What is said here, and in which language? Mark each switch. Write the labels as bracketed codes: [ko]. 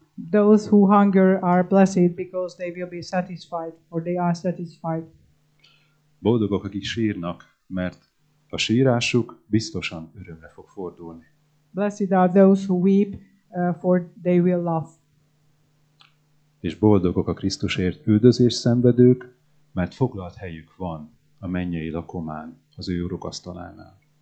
[en] Those who hunger are blessed because they will be satisfied or they are satisfied. [hu] Boldogok, akik sírnak, mert a sírásuk biztosan örömre fog fordulni. [en] Blessed are those who weep, for they will laugh. [hu] És boldogok a Krisztusért üldözés szenvedők, mert foglalt helyük van a mennyei lakomán, az ő urukasztalánál.